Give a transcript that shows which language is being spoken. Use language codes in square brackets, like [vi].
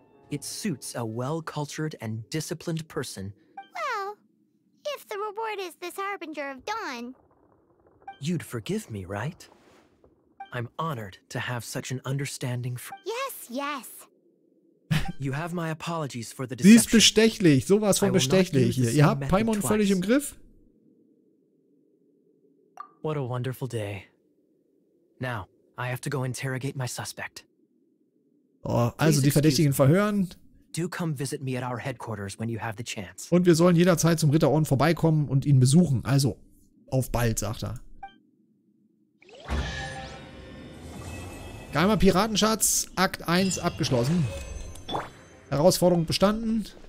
[en] It suits a well-cultured and disciplined person. Well, if the reward is this Harbinger of Dawn... You'd forgive me, right? I'm honored to have such an understanding for... Yes, yes. You have my apologies for the deception. [de] Sie ist bestechlich, sowas von bestechlich hier. Ihr habt Paimon völlig im Griff? [en] What a wonderful day. Now, I have to go interrogate my suspect. [de] Oh, also die Verdächtigen verhören. [en] Do come visit me at our headquarters when you have the chance. [de] Und wir sollen jederzeit zum Ritterorden vorbeikommen und ihn besuchen. Also, auf bald, sagt er. Geheimer Piratenschatz, Akt 1 abgeschlossen. Herausforderung bestanden.